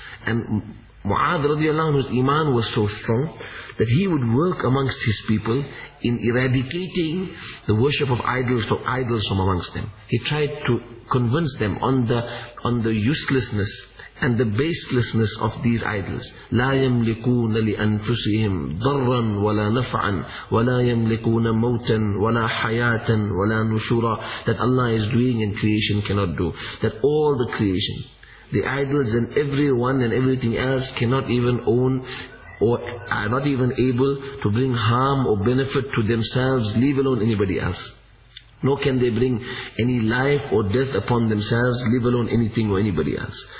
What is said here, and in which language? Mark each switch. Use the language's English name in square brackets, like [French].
[English] And Mu'adh radiyallahu anhu's iman was so strong that he would work amongst his people in eradicating the worship of idols from amongst them. He tried to convince them on the uselessness and the baselessness of these idols. [Arabic] لا يملكون لأنفسهم ضرا ولا نفعا ولا يملكون موتا ولا حياة ولا نشورا. [English] That Allah is doing and creation cannot do. That all the creation, the idols and everyone and everything else cannot even own or are not even able to bring harm or benefit to themselves, leave alone anybody else. Nor can they bring any life or death upon themselves, leave alone anything or anybody else.